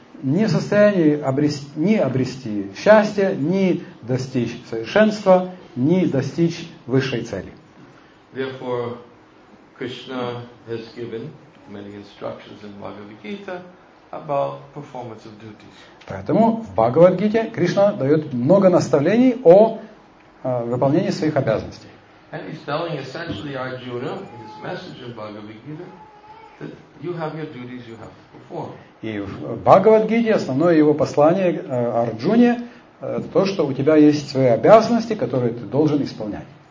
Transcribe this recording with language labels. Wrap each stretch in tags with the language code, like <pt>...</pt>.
<ru>Не в состоянии обрести счастье, ни достичь совершенства, ни достичь высшей цели.</ru> <en>Therefore, Krishna has given many instructions in Bhagavad Gita about performance of duties.</en> <ru>Поэтому в Бхагавад Гите Кришна дает много наставлений о выполнении своих обязанностей.</ru> <en>And he's telling essentially Arjuna, his message in Bhagavad Gita, that you have your duties you have to perform.</en> <ru>И в Бхагавад Гите основное его послание Арджуне то, что у тебя есть свои обязанности, которые ты должен исполнять.</ru>